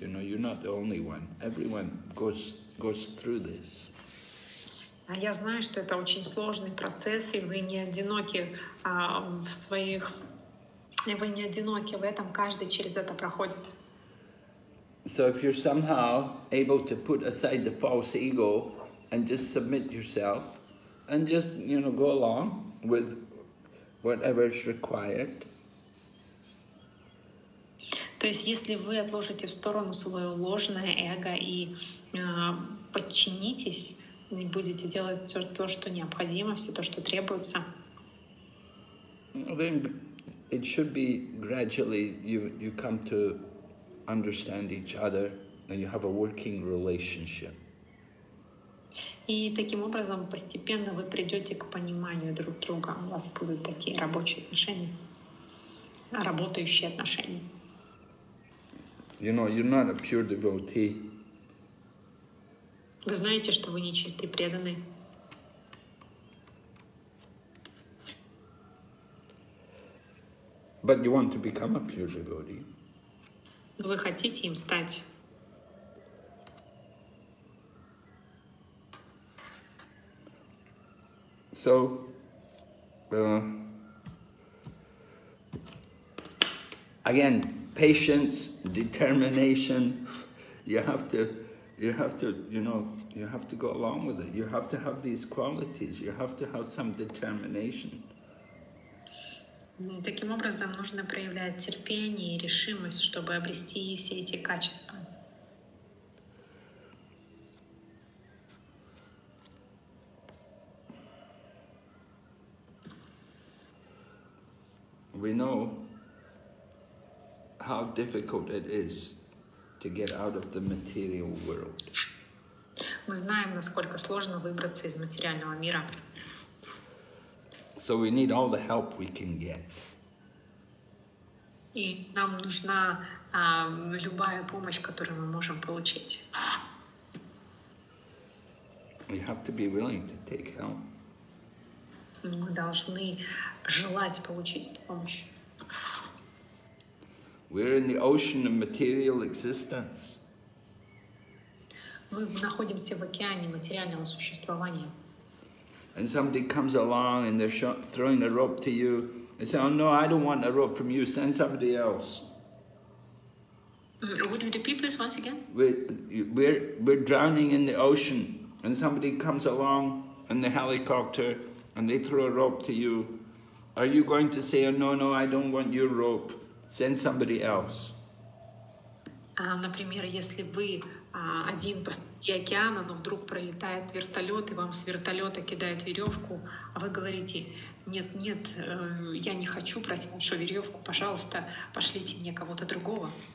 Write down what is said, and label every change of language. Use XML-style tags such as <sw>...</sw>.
<en>You know, you're not the only one. Everyone goes through this.</en> <ru>А я знаю, что это очень сложный процесс, и вы не одиноки в своих... Вы не одиноки в этом, каждый через это проходит.</ru> <en>So if you're somehow able to put aside the false ego and just submit yourself and just, you know, go along with whatever is required.</en> <ru>То есть если вы отложите в сторону свое ложное эго и подчинитесь, и будете делать все то, что необходимо, все то, что требуется.</ru> <en>Then it should be gradually you come to understand each other and you have a working relationship.</en> <ru>И таким образом постепенно вы придете к пониманию друг друга. У вас будут такие рабочие отношения, работающие отношения.</ru> <en>You know, you're not a pure devotee.</en> <ru>Вы знаете, что вы не чистый преданный.</ru> <en>But you want to become a pure devotee.</en> <ru>Вы хотите им стать.</ru> <en>So, again, patience, determination. You have to go along with it. You have to have these qualities. You have to have some determination.</en> <ru>Таким образом, нужно проявлять терпение и решимость, чтобы обрести все эти качества.</ru> <en>We know how difficult it is to get out of the material world.</en> <ru>Мы знаем, насколько сложно выбраться из материального мира.</ru> <en>So we need all the help we can get.</en> <ru>И нам нужна любая помощь, которую мы можем получить.</ru> <en>We have to be willing to take help.</en> <ru>Мы должны желать получить эту помощь.</ru> <en>We're in the ocean of material existence.</en> <ru>Мы находимся в океане материального существования.</ru> <en>And somebody comes along and they're throwing a rope to you. They say, oh no, I don't want a rope from you, send somebody else. Would you repeat this once again? We're drowning in the ocean and somebody comes along in the helicopter and they throw a rope to you. Are you going to say, oh, no, I don't want your rope, send somebody else?</en> <ru>Например, если вы один посреди океана, но вдруг пролетает вертолет, и вам с вертолета кидают веревку, а вы говорите, нет, я не хочу просить вашу веревку, пожалуйста, пошлите мне кого-то другого.</ru>